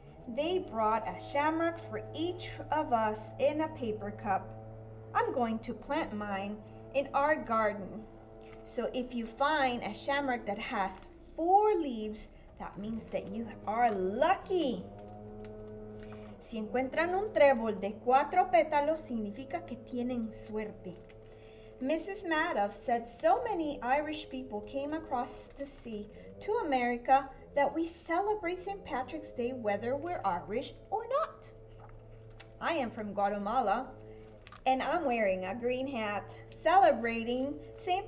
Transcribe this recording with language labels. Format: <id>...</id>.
<en>They brought a shamrock for each of us in a paper cup. I'm going to plant mine in our garden. So if you find a shamrock that has four leaves, that means that you are lucky.</en> <es>Si encuentran un trébol de cuatro pétalos, significa que tienen suerte.</es> <en>Mrs. Madoff said so many Irish people came across the sea to America that we celebrate St. Patrick's Day whether we're Irish or not. I am from Guatemala, and I'm wearing a green hat, celebrating St.</en>